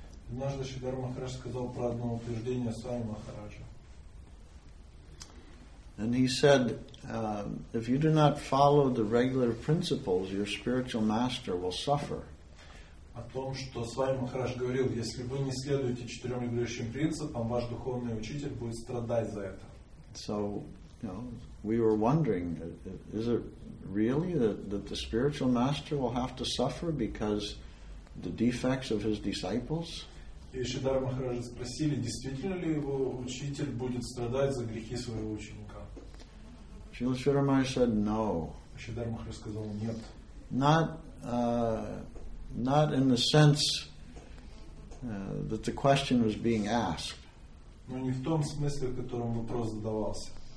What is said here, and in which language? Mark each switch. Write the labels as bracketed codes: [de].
[ru] Однажды Шридхара Махарадж сказал про одно утверждение Свами Махараджа. [en] And he said, if you do not follow the regular principles, your spiritual master will suffer. [ru] О том, что Свами Махарадж говорил, если вы не следуете четырем регулирующим принципам, ваш духовный учитель будет страдать за это. [en] So, you know, we were wondering, is it really that the spiritual master will have to suffer because the defects of his disciples? [ru] И Шридхара Махараджа спросили, действительно ли его учитель будет страдать за грехи своего ученика? [en] Шрила Шридхара Махарадж said no. [ru] Шридхара Махарадж сказал нет. [en] Not in the sense that the question was being asked. [ru] Но не в том смысле, в котором вопрос задавался.